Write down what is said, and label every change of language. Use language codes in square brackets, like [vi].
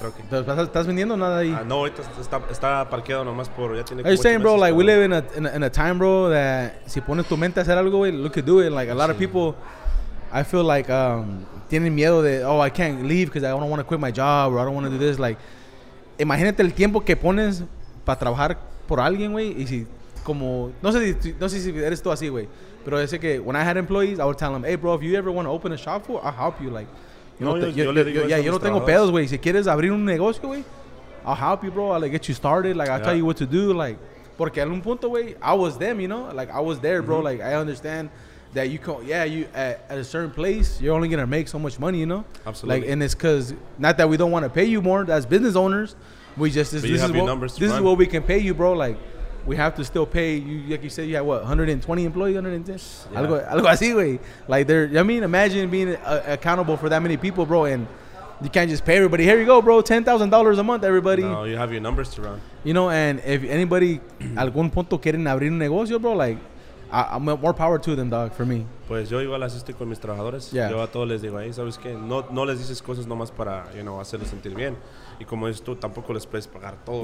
[es] ¿Estás vendiendo nada ahí? No, está parqueado nomás por... Ya tiene. [en] Are you saying, bro, like, we live in a time, bro, that [es] si pones tu mente a hacer algo, güey, [en] look to do it. Like, a lot of people, I feel like, [es] tienen miedo de, [en] oh, I can't leave because I don't want to quit my job or I don't want to do this. Like, [es] imagínate el tiempo que pones para trabajar por alguien, güey, y si, como... No sé si eres tú así, güey, pero sé que [en] when I had employees, I would tell them, hey, bro, if you ever want to open a shop for, I'll help you, like... [es] Yo no tengo pedos, güey. Si quieres abrir un negocio, güey, [en] I'll help you, bro. I'll, like, get you started. Like, I'll tell you what to do. Like, [es] porque en un punto, güey, [en] I was them, you know? Like, I was there, bro. Like, I understand that you can't... Yeah, you at a certain place, you're only going to make so much money, you know? Absolutely. Like, and it's because... Not that we don't want to pay you more. That's business owners. We just... This is what we can pay you, bro. Like, we have to still pay you. Like you said, you have, what, 120 employees, 110? Yeah. [es] Algo así, güey. [en] Like, they're, I mean, imagine being accountable for that many people, bro, and you can't just pay everybody. Here you go, bro, $10,000 a month, everybody. No, you have your numbers to run. You know, and if anybody, [es] algún punto, quieren abrir un negocio, [en] bro, like, I'm more power to them, dog, for me. [es] Pues yo igual asisto con mis trabajadores. Yo a todos les digo, ahí, ¿sabes qué? No les dices cosas nomás para, [en] you know, [es] hacerlos sentir bien. Y como dices tú, tampoco les puedes pagar todo.